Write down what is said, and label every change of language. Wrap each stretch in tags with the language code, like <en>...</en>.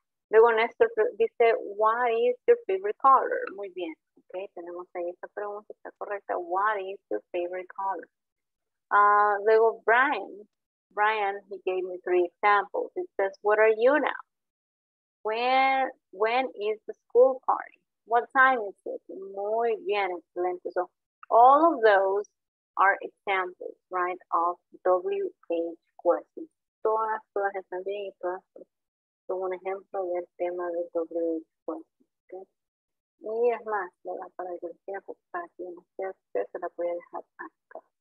<es>Luego, Néstor dice,</es> <en>what is your favorite color?</en> <es>Muy bien, ok, tenemos ahí esta pregunta, está correcta.</es> <en>What is your favorite color? Luego, Brian, he gave me three examples. It says, what are you now? When is the school party? What time is it?</en> <es>Muy bien, excelente.</es> <en>So, all of those are examples, right, of WH questions.</en> <es>Todas están bien y todas son un ejemplo del tema de WH questions. Okay? Y es más, ¿verdad? Para que lo sea para que no sea usted, se la voy a dejar acá.</es>